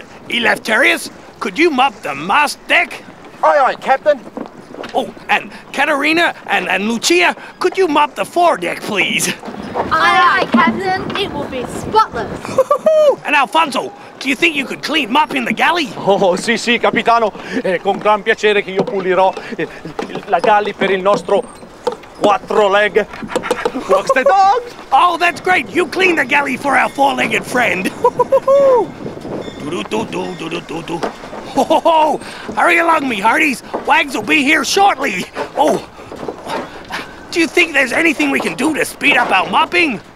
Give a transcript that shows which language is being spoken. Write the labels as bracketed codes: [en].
[en] Eleftherios, could you mop the mast deck? Aye, aye, Captain. Oh, and Katarina and Lucia, could you mop the foredeck, please? Aye, aye, Captain. It will be spotless. And Alfonso, do you think you could clean mop in the galley? [it] Oh, sì, sì, Capitano. Con gran piacere che io pulirò la galley per il nostro quattro leg. [en] What's the dog? Oh, that's great. You clean the galley for our four-legged friend. Do-do-do-do-do-do-do-do. Ho, ho, ho! Hurry along, me hearties. Wags will be here shortly. Oh, do you think there's anything we can do to speed up our mopping?